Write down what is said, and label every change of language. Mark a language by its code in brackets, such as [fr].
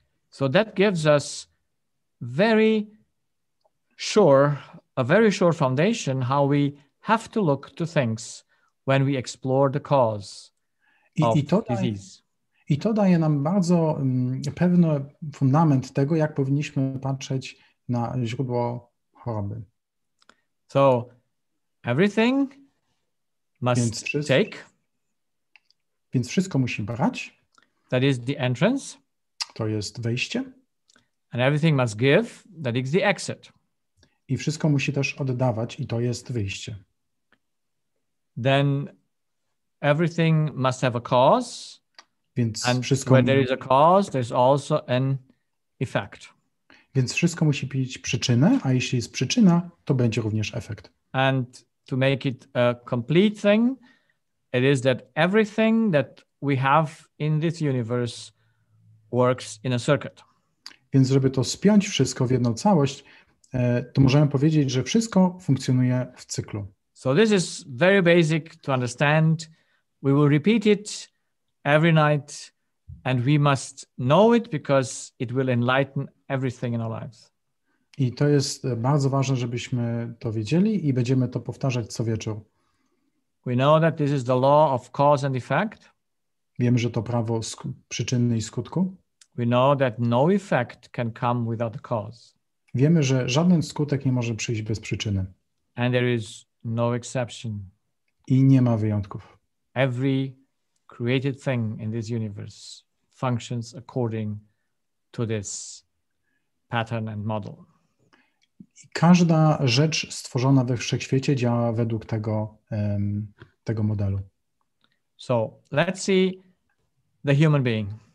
[en] So that gives us very sure, a very sure foundation how we have to look to things when we explore the cause of disease. [pl] I to daje nam bardzo pewny fundament tego, jak powinniśmy patrzeć na źródło choroby. [en] So everything must take. [pl] Więc wszystko musi brać. [en] That is the entrance. [pl] To jest wejście. [en] And everything must give. That is the exit. [pl] I wszystko musi też oddawać i to jest wyjście. [en] Then everything must have a cause. [pl] Więc [en] and [pl] wszystko [en] where there is a cause, there is also an effect. [pl] Więc wszystko musi mieć przyczynę, a jeśli jest przyczyna, to będzie również efekt. [en] And to make it a complete thing, it is that everything that we have in this universe works in a circuit. [pl] Więc żeby to spiąć wszystko w jedną całość, to możemy powiedzieć, że wszystko funkcjonuje w cyklu. [en] So this is very basic to understand. We will repeat it every night and we must know it because it will enlighten everything in our lives. [pl] I to jest bardzo ważne, żebyśmy to wiedzieli i będziemy to powtarzać co wieczór. [en] We know that this is the law of cause and effect. [pl] Wiemy, że to prawo przyczyny i skutku. [en] We know that no effect can come without the cause. [pl] Wiemy, że żaden skutek nie może przyjść bez przyczyny. [en] And there is no exception. [pl] I nie ma wyjątków. [en] Every created thing in this universe functions according to this pattern and model. [pl] I każda rzecz stworzona we wszechświecie działa według tego modelu. [en] So, let's see the human being.